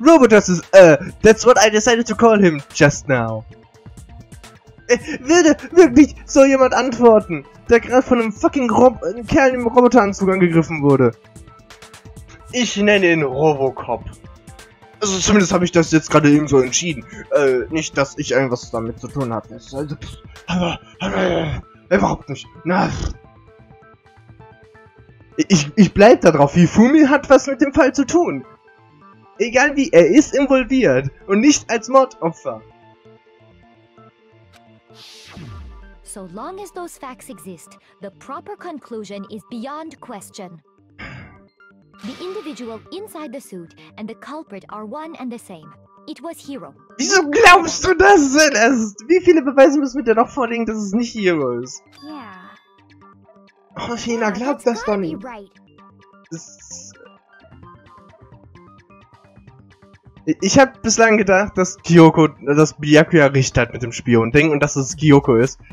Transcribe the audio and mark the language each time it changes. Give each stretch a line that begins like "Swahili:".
English: Robo Justice, that's what I decided to call him just now.
German: Würde wirklich so jemand antworten, der gerade von einem fucking Kerl im Roboteranzug angegriffen wurde? Ich nenne ihn Robocop. Also zumindest habe ich das jetzt gerade eben so entschieden. Nicht, dass ich irgendwas damit zu tun hatte. Also, überhaupt nicht. Na, ich bleib da drauf. Hifumi hat was mit dem Fall zu tun. Egal wie, er ist involviert und nicht als Mordopfer.
English: So long as those facts exist, the proper conclusion is beyond question. The individual inside the suit and the culprit are one and the same. It was Hiro.
German: Wieso glaubst du das denn erst? Wie viele Beweise müssen wir dir noch vorlegen, dass es nicht Hiro ist? Yeah. Oh, Fina, glaub yeah, das doch nicht.
English: Right.
German: Ich hab bislang gedacht, dass Kyoko, dass Byakuya recht hat mit dem Spion-Ding und dass es Kyoko ist.